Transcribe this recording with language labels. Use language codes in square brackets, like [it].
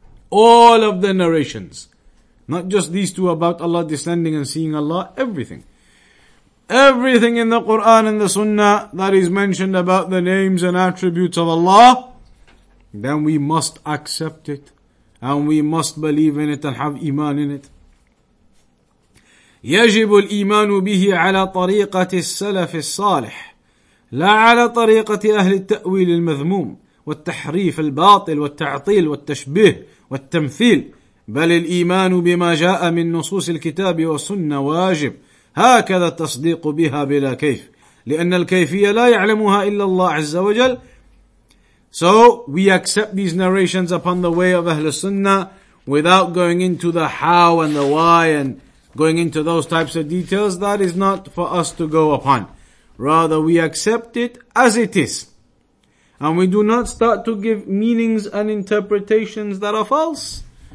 [en] All of the narrations, not just these two about Allah descending and seeing Allah, everything. Everything in the Quran and the Sunnah that is mentioned about the names and attributes of Allah, then we must accept it, and we must believe in it and have iman in it. [ar] يجب الإيمان به على طريقة السلف الصالح لا على طريقة أهل التأويل المذموم والتحريف الباطل والتعطيل والتشبيه والتمثيل بل الإيمان بما جاء من نصوص الكتاب والسنة واجب هكذا التصديق بها بلا كيف لأن الكيفية لا يعلمها إلا الله عز وجل. [en] So we accept these narrations upon the way of Ahl Sunnah without going into the how and the why and going into those types of details, that is not for us to go upon. Rather, we accept it as it is. And we do not start to give meanings and interpretations that are false.